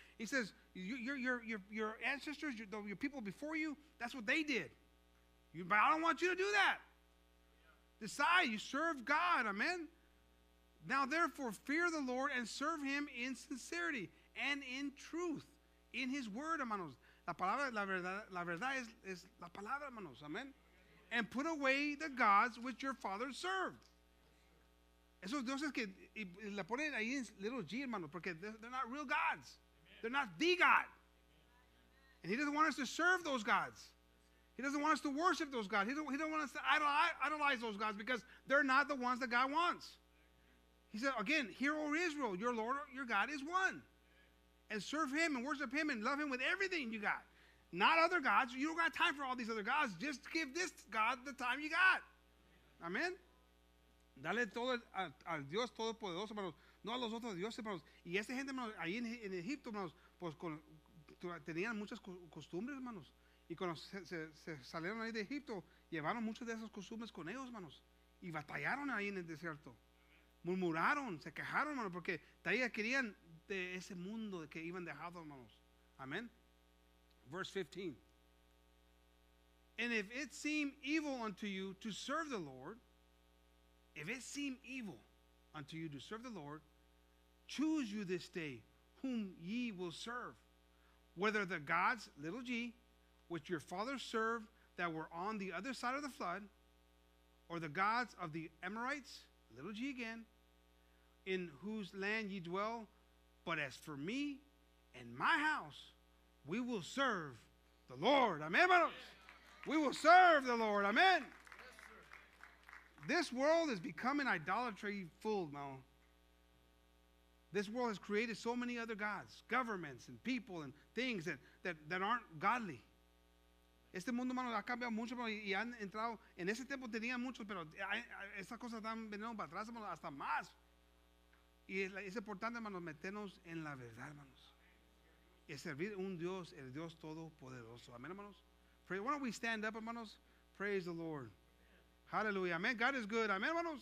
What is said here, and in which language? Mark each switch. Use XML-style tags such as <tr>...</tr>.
<en>He says, your ancestors, your people before you, that's what they did. But I don't want you to do that. Decide, you serve God, amen. Now, therefore, fear the Lord and serve Him in sincerity and in truth, in His word, hermanos.</en> <es>La palabra, la verdad es la palabra, hermanos.</es> <en>Amen. And put away the gods which your fathers served.</en> <es>Eso Dios es que la ponen ahí en</es> <en>little g,</en> <es>hermanos, porque</es> <en>they're not real gods. Amen. They're not the God. Amen. And He doesn't want us to serve those gods. He doesn't want us to worship those gods. He doesn't want us to idolize those gods because they're not the ones that God wants. He said, again, hear, O Israel, your Lord, your God is one. And serve Him and worship Him and love Him with everything you got. Not other gods. You don't got time for all these other gods. Just give this God the time you got. Amen.</en> <es>Dale todo al Dios Todopoderoso, hermanos. No a los otros dioses, hermanos. Y esta gente, hermanos, ahí en Egipto, hermanos, pues tenían muchas costumbres, hermanos. Y cuando se salieron ahí de Egipto, llevaron muchas de esas costumbres con ellos, hermanos. Y batallaron ahí en el desierto. Murmuraron, se quejaron, hermanos, porque todavía querían de ese mundo que iban dejado, hermanos.</es> <en>Amen. Verse 15. And if it seem evil unto you to serve the Lord, if it seem evil unto you to serve the Lord, choose you this day whom ye will serve, whether the gods, little g, which your fathers served that were on the other side of the flood, or the gods of the Amorites, little g again, in whose land ye dwell, but as for me and my house, we will serve the Lord. Amen, brothers. We will serve the Lord. Amen. This world is becoming idolatry full now. This world has created so many other gods, governments and people and things that aren't godly.</en> <es>Este mundo, hermano, ha cambiado mucho, hermano, y han entrado, en ese tiempo tenían muchos, pero estas cosas están veniendo para atrás, hermano, hasta más. Y es importante, hermano, meternos en la verdad, hermanos. Y servir un Dios, el Dios Todopoderoso. Amén, hermanos.</es> <en>Why don't we stand up,</en> <es>hermanos?</es> <en>Praise the Lord. Hallelujah. Amen. God is good.</en> <es>Amén, hermanos.</es>